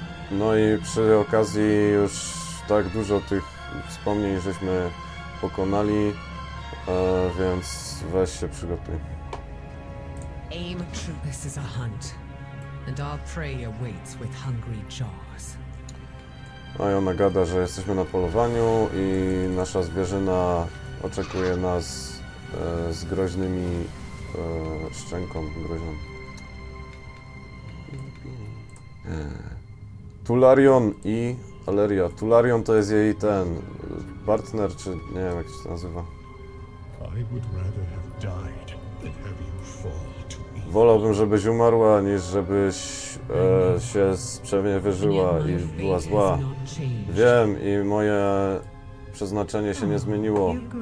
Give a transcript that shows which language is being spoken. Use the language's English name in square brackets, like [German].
[Polish] No i przy okazji już tak dużo tych wspomnień żeśmy pokonali, więc weź się przygotuj. [English] Aim Troopus is a hunt, and our prey awaits with hungry jaws. [Polish] No i ona gada, że jesteśmy na polowaniu i nasza zwierzyna oczekuje nas z groźnymi szczęką groźną. Tularion i Aleria. Tularion to jest jej ten partner, czy nie wiem jak się to nazywa. [English] I would rather have died than have you fall. [Polish] Wolałbym, żebyś umarła, niż żebyś się sprzeniewierzyła i była zła. Wiem, i moje przeznaczenie się nie zmieniło.